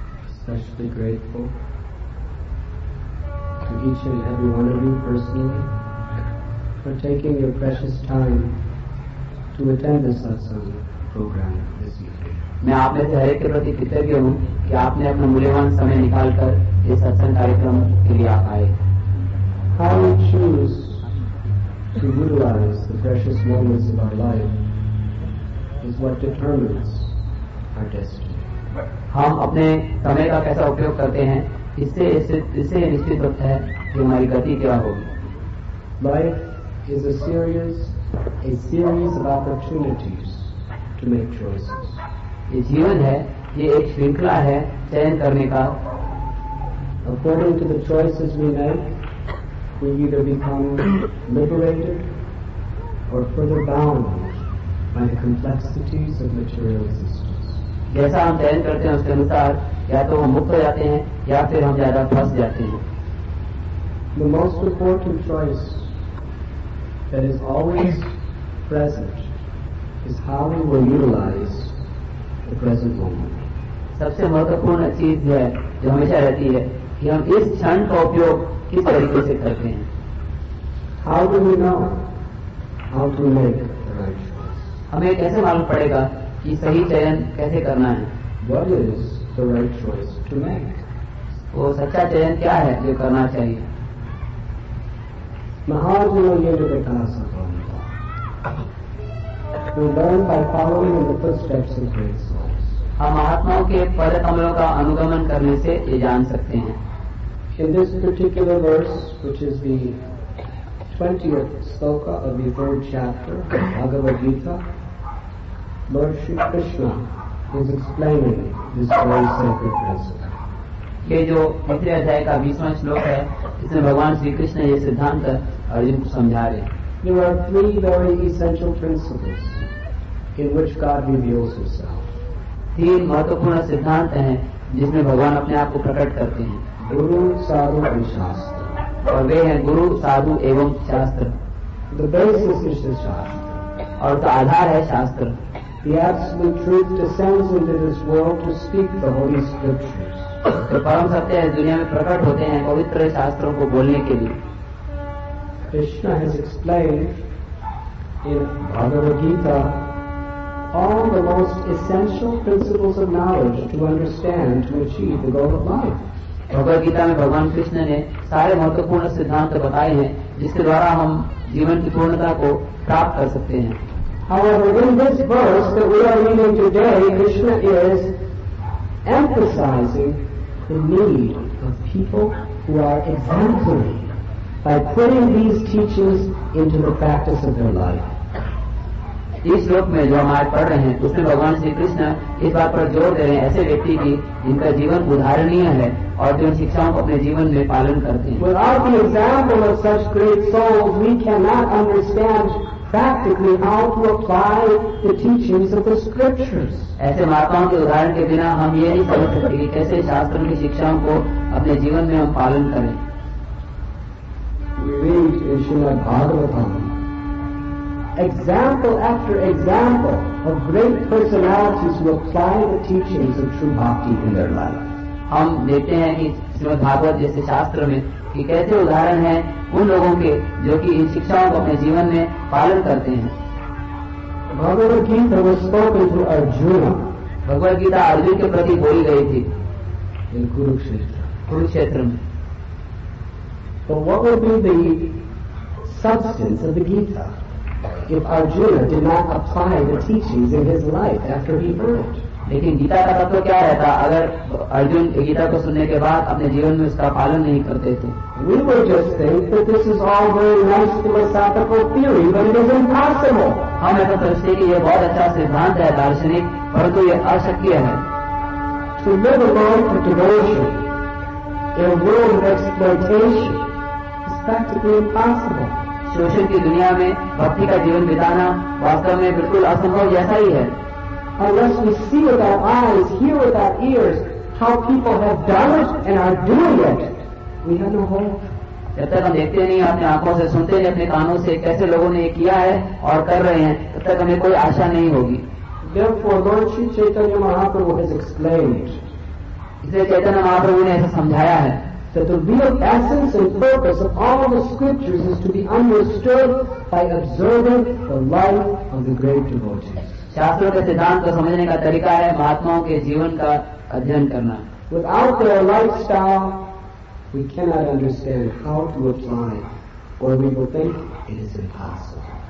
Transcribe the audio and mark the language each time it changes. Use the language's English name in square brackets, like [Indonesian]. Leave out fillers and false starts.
[English] Especially grateful to each and every one of you personally for taking your precious time to attend the satsang program this evening. [Hindi] मैं आप में से हर एक के प्रति कृतज्ञ हूँ कि आपने अपना मूल्यवान समय निकालकर इस सत्संग कार्यक्रम के लिए आए। [English] How we choose to utilize the precious moments of our life is what determines our destiny. [Hindi] हम अपने समय का कैसा उपयोग करते हैं इससे निश्चित होता है कि हमारी गति क्या होगी। [English] Life is a series of opportunities to make choices. [Hindi] ये जीवन है, ये एक श्रृंखला है चयन करने का। [English] According to the choices we make, we either become liberated or further bound by the complexities of material existence. [Hindi] जैसा हम चयन करते हैं उसके अनुसार या तो हम मुक्त हो जाते हैं या फिर हम ज्यादा फंस जाते हैं। [English] The most important choice that is always present is how we will utilize the present moment. [Hindi] सबसे महत्वपूर्ण चीज है जो हमेशा रहती है कि हम इस क्षण का उपयोग किस तरीके से करते हैं। [English] How do we know how to make the right choice? [Hindi] हमें कैसे मालूम पड़ेगा कि सही चयन कैसे करना है। [English] What is the right choice to make? [Hindi] वो सच्चा चयन क्या है जो करना चाहिए। महाजनों ये जो बताना सकता हूँ [English] We learn by following the footsteps of great souls. [Hindi] हम महात्माओं के पद कमलों का अनुगमन करने से ये जान सकते हैं। [English] In this particular verse, which is the 20th sloka of the 3rd chapter of Bhagavad Gita, Lord Shri Krishna is explaining this very sacred principle. [Hindi] ये जो तीसरे अध्याय का 20वां श्लोक है इसमें भगवान श्री कृष्ण ये सिद्धांत अर्जुन को समझा रहे हैं। [English] There are three very essential principles in which God reveals himself. [Hindi] तीन महत्वपूर्ण सिद्धांत हैं जिसमें भगवान अपने आप को प्रकट करते हैं। गुरु साधु और शास्त्र। और वे हैं गुरु साधु एवं शास्त्र। [English] The basis is the shastra. [Hindi] और तो आधार है शास्त्र। [English] The absolute truth descends into this world to speak the holy scriptures. [Hindi] तो परम सत्य इस दुनिया में प्रकट होते हैं पवित्र शास्त्रों को बोलने के लिए। [English] Krishna has explained in Bhagavad Gita all the most essential principles of knowledge to understand to achieve the goal of life. [Hindi] Bhagavad Gita में भगवान कृष्ण ने सारे महत्वपूर्ण सिद्धांत बताए हैं जिसके द्वारा हम जीवन की पूर्णता को प्राप्त कर सकते हैं। [English] However, in this verse that we are reading today, Krishna is emphasizing the need of people who are exemplary by putting these teachings into the practice of their life. [Hindi] इस श्लोक में जो हम आज पढ़ रहे हैं उसमें भगवान श्री कृष्ण इस बात पर जोर दे रहे हैं ऐसे व्यक्ति की जिनका जीवन उदाहरणीय है और जो शिक्षाओं को अपने जीवन में पालन करते हैं। [English] Without the example of such great souls, we cannot understand practically how to apply the teachings of the scriptures. [Hindi] ऐसे महात्माओं के उदाहरण के बिना हम ये नहीं समझ सकते कि कैसे शास्त्र की शिक्षाओं को अपने जीवन में हम पालन करें। [English] We read in Srimad Bhagavatam example after example of great personalities who apply the teachings of true bhakti in their life. [Hindi] हम देखते हैं कि श्रीमद् भागवत जैसे शास्त्र में कि कैसे उदाहरण है उन लोगों के जो कि इन शिक्षाओं को अपने जीवन में पालन करते हैं. भगवद्गीता वस्तुतः जो अर्जुन भगवद्गीता अर्जुन के प्रति बोली गई थी कुरुक्षेत्र में. [English] But what would be the substance of the Gita if Arjuna did not apply the teachings in his life after he heard it? [Hindi] लेकिन गीता का तत्व क्या रहता अगर अर्जुन गीता को सुनने के बाद अपने जीवन में उसका पालन नहीं करते थे. [English] We would just think that this is all very nice philosophical theory, but it is impossible. [Hindi] हम ऐसा सोचते कि यह बहुत अच्छा सिद्धांत है दार्शनिक परंतु यह अशक्य है. [English] To live a life of devotion in a world of exploitation is practically impossible. [Hindi] शोषण की दुनिया में भक्ति का जीवन बिताना वास्तव में बिल्कुल असंभव जैसा ही है. [English] Unless we see with our eyes, hear with our ears, how people have done it and are doing it, we have no hope. [Hindi] जब तक हम देखते नहीं अपने आंखों से सुनते नहीं अपने कानों से कैसे लोगों ने ये किया है और कर रहे हैं तब तक हमें कोई आशा नहीं होगी. [English] Therefore, Lord Sri Chaitanya Mahaprabhu has explained. [Hindi] इसलिए चैतन्य महाप्रभु ने ऐसा समझाया है. [English] That the real essence and purpose of all the scriptures is to be understood by observing the life of the great devotees. [Hindi] शास्त्रों के सिद्धांत को समझने का तरीका है महात्माओं के जीवन का अध्ययन करना. [English] Without their lifestyle, we cannot understand how to apply, or we will think it is impossible.